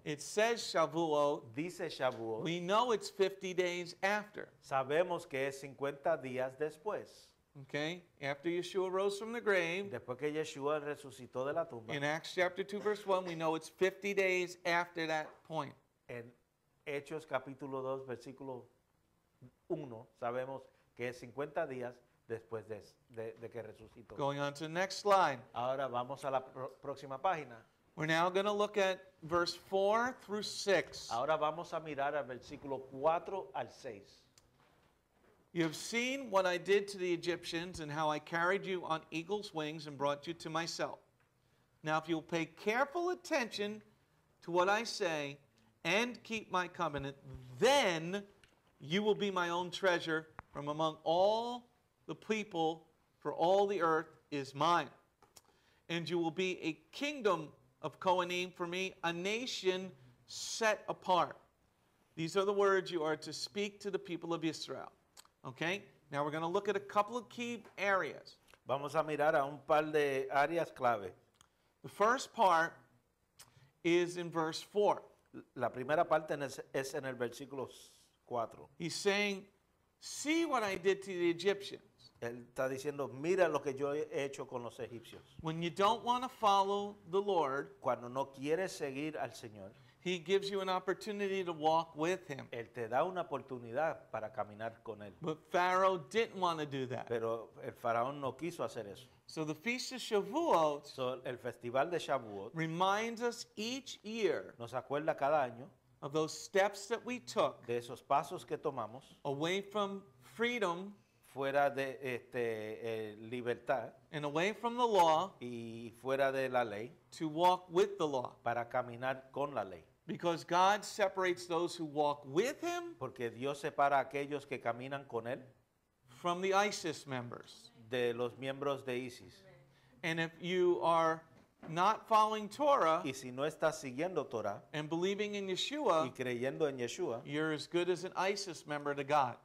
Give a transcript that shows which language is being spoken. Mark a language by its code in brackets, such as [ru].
[en] it says Shavuot, [es] dice Shavuot, [en] we know it's 50 days after. [es] Sabemos que es 50 días después. [en] Okay, after Yeshua rose from the grave, [es] después que Yeshua resucitó de la tumba, [en] in Acts chapter 2 verse 1, we know it's 50 days after that point. [es] En Hechos capítulo 2 versículo 1, sabemos que es 50 días después de que resucitó. [en] Going on to the next line. [es] Ahora vamos a la próxima página. [en] We're now going to look at verse 4 through 6. [es] Ahora vamos a mirar al versículo 4 al 6. [en] You have seen what I did to the Egyptians and how I carried you on eagle's wings and brought you to myself. Now if you'll pay careful attention to what I say and keep my covenant, then you will be my own treasure from among all the people, for all the earth is mine. And you will be a kingdom of Kohanim for me, a nation set apart. These are the words you are to speak to the people of Israel. Okay? Now we're going to look at a couple of key areas. [es] Vamos a mirar a un par de áreas clave. [en] The first part is in verse 4. [es] La primera parte es en el versículo 4. [en] He's saying, see what I did to the Egyptians. [es] Él está diciendo, mira lo que yo he hecho con los egipcios. [en] When you don't want to follow the Lord, [es] cuando no quieres seguir al Señor, [en] he gives you an opportunity to walk with him. [es] Él te da una oportunidad para caminar con él. [en] But Pharaoh didn't want to do that. [es] Pero el faraón no quiso hacer eso. [en] So the Feast of Shavuot, [es] so el festival de Shavuot, [en] reminds us each year, [es] nos acuerda cada año, [en] of those steps that we took, [es] de esos pasos que tomamos, [en] away from freedom, [es] fuera de libertad, [en] and away from the law, [es] y fuera de la ley, [en] to walk with the law, [es] para caminar con la ley. [en] Because God separates those who walk with him, [es] porque Dios separa aquellos que caminan con él, [en] from the ISIS members, [es] de los miembros de ISIS. [en] And if you are not following Torah, [es] y si no estás siguiendo Torah, [en] and believing in Yeshua, [es] y creyendo en Yeshua, [en] you're as good as an ISIS member to God.